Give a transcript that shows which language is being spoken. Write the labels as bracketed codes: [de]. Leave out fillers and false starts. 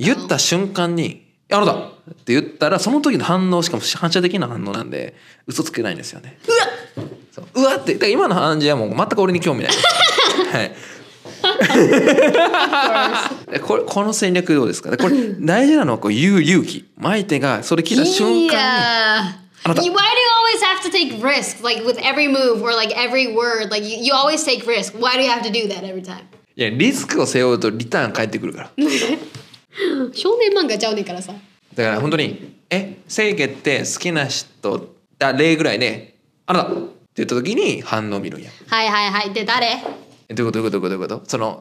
[ja] 言った瞬間に、あなたって言ったら、その時の反応しかも反射的な反応なんで、嘘つけないんですよね。うわっうわってだから今の感じはもう全く俺に興味ない、はい、この戦略どうですか。これ大事なのはこう勇気、相手がそれ聞いた瞬間に、 [en] yeah. Why do you always have to take risk like with every move or like every word like you, you always take risk why do you have to do that every time? [ja] いやリスクを背負うとリターン返ってくるから少年漫画ちゃうねんからさ。だから本当にえ正義って好きな人だ例ぐらいねあなたって言った時に反応見るんや。はいはいはい。で誰？どういうことどういうことどういうこと？その